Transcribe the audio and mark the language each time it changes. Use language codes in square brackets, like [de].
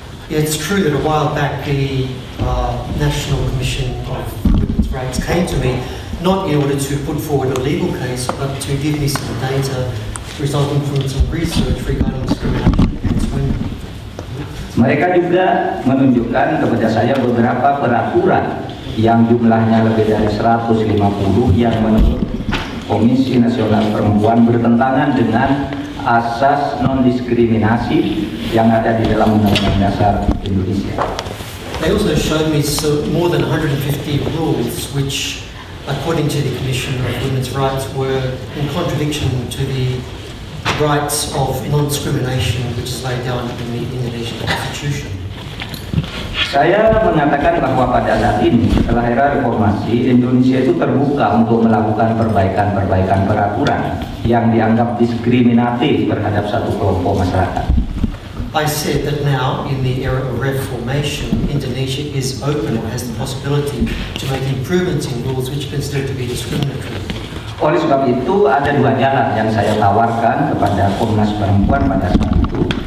[en] It's true that a while back the National Commission of Women's Rights came to me, not in order to put forward a legal case, but to give me some data resulting from some research regarding discrimination against women. [id] Mereka juga menunjukkan kepada saya beberapa peraturan yang jumlahnya lebih dari 150 yang menurut Komisi Nasional Perempuan bertentangan dengan asas non-diskriminasi yang ada di dalam Undang-Undang Dasar Indonesia. [en] They also showed me more than 150 rules which, according to the Commission of Women's Rights, were in contradiction to the rights of non-discrimination which is laid down in the Indonesian Constitution. [id] Saya mengatakan bahwa pada saat ini, setelah era reformasi, Indonesia itu terbuka untuk melakukan perbaikan-perbaikan peraturan yang dianggap diskriminatif terhadap satu kelompok masyarakat. [en] I said that now, in the era of reformation, Indonesia is open or has the possibility to make improvements in rules which are considered to be discriminatory. [id] Oleh sebab itu, ada dua jalan yang saya tawarkan kepada Komnas Perempuan pada saat itu.